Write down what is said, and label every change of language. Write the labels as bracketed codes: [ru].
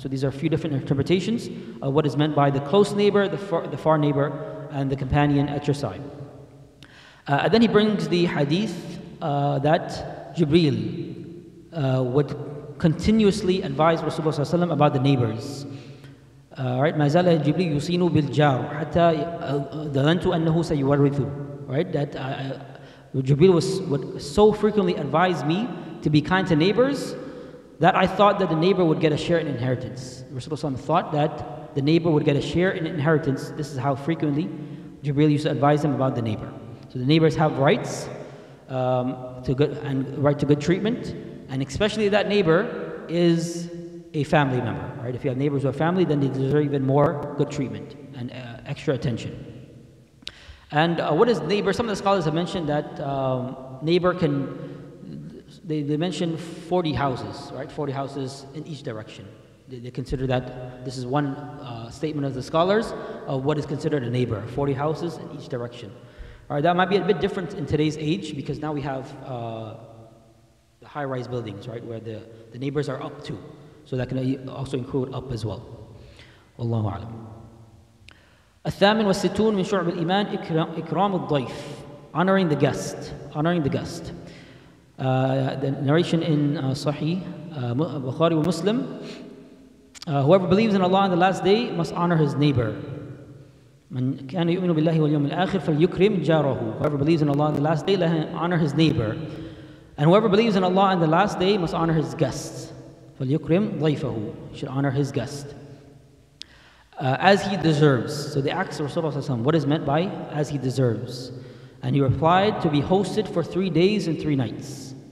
[en] So these are a few different interpretations of what is meant by the close neighbor, the far neighbor, and the companion at your side. And then he brings the hadith that Jibreel would continuously advise Rasulullah ﷺ about the neighbors. [ar] Right, ما زال جبريل يصين بالجار حتى ظننت أنه سيورثه. [en] Right, that Jibreel would so frequently advise me to be kind to neighbors that I thought that the neighbor would get a share in inheritance. Rasulullah ﷺ thought that the neighbor would get a share in inheritance. This is how frequently Jibreel used to advise him about the neighbor. So the neighbors have rights to good treatment, and especially that neighbor is a family member, right? If you have neighbors who are family, then they deserve even more good treatment and extra attention. And what is neighbor? Some of the scholars have mentioned that neighbor can, they mention 40 houses, right? 40 houses in each direction. They consider that, this is one statement of the scholars of what is considered a neighbor, 40 houses in each direction. All right, that might be a bit different in today's age because now we have the high-rise buildings, right, where the neighbors are up to. So that can also include up as well. Wallahu a'lam. [ar] الثامن والستون من شعب الإيمان إكرام الضيف. [en] Honoring the guest. Honoring the guest. The narration in Sahih, Bukhari and Muslim. Whoever believes in Allah on the last day must honor his neighbor. [ar] من كان يؤمن بالله واليوم الآخر فليكرم جاره. [en] Whoever believes in Allah on the last day, let him honor his neighbor. And whoever believes in Allah on the last day must honor his guests. [ar] فَلْيُكْرِمْ ضَيْفَهُ, [en] should honor his guest as he deserves. So they asked Rasulullah ﷺ, what is meant by as he deserves? And he replied, to be hosted for 3 days and three nights.